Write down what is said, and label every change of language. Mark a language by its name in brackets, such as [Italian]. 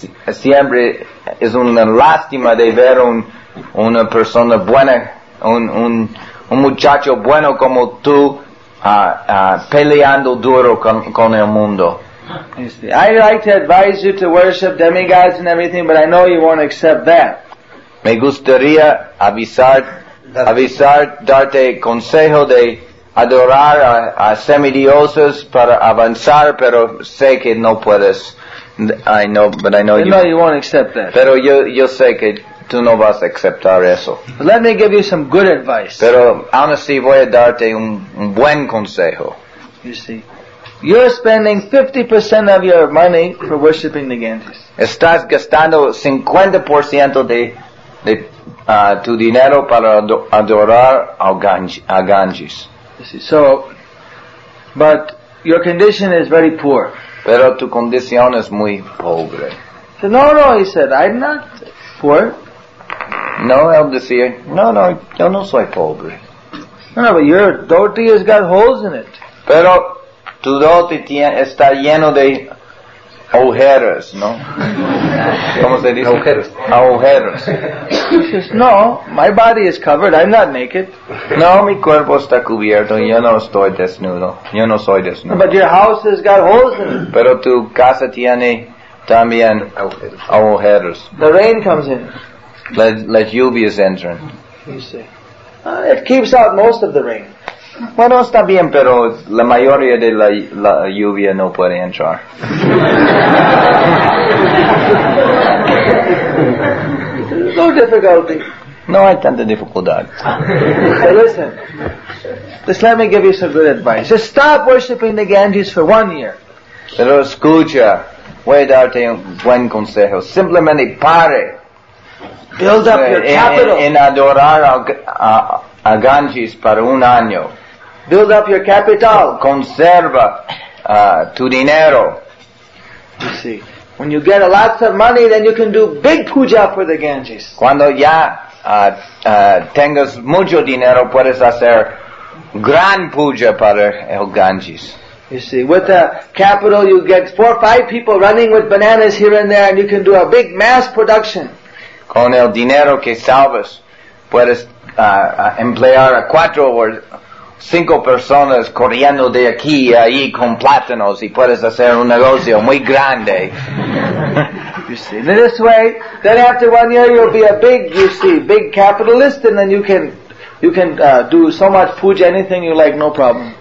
[Spanish] Siempre es una lástima de ver una persona buena, un muchacho bueno como tú, peleando duro con el mundo. [English] I'd like to advise you to worship demigods and everything, but I know you won't accept that. [Spanish] Me gustaría avisar, darte consejo de adorar a semidioses para avanzar, pero sé que no puedes. [English] I know you won't accept that. [Spanish] Pero yo sé que tú no vas a aceptar eso. [English] But let me give you some good advice. [Spanish] Pero aún así voy a darte un buen consejo. [English] You see, you're spending 50% of your money for worshiping the Ganges. [Spanish] Estás gastando 50% de tu dinero para adorar al Ganges. [English] So, but your condition is very poor. [Spanish] Pero tu condición es muy pobre. [English] So, no, no, he said, I'm not poor. [Spanish] No, él decía, no, yo no soy pobre. [English] No, but your dhoti has got holes in it. [Spanish] Pero tu dhoti está lleno de agujeros, ¿no? ¿Cómo se dice? Agujeros. [English] He says, no, my body is covered, I'm not naked. [Spanish] No, mi cuerpo está cubierto, yo no estoy desnudo. Yo no soy desnudo. [English] But your house has got holes in it. [Spanish] Pero tu casa tiene también agujeros. [English] The rain comes in. Let lluvias enter. You see. It keeps out most of the rain. [Spanish] Bueno, está bien, pero la mayoría de la lluvia no puede entrar. [English] No difficulty. [Spanish] No hay tanta dificultad. [English] Hey, listen. Just let me give you some good advice. Just stop worshiping the Ganges for 1 year. [Spanish] Pero escucha. Voy a darte un buen consejo. Simplemente pare. [English] Build up your capital. [Spanish] En adorar a Ganges para un año. [English] Build up your capital. [Spanish] Conserva tu dinero. [English] You see. When you get a lot of money, then you can do big puja for the Ganges. [Spanish] Cuando ya tengas mucho dinero, puedes hacer gran puja para el Ganges. [English] You see, with the capital, you get 4 or 5 people running with bananas here and there, and you can do a big mass production. [Spanish] Con el dinero que salvas, puedes emplear a 4 or 5 personas corriendo de aquí a allí con plátanos, y puedes hacer un negocio muy grande. [English] You see, and this way, then after 1 year, you'll be a big, you see, big capitalist, and then you can do so much puja, anything you like, no problem.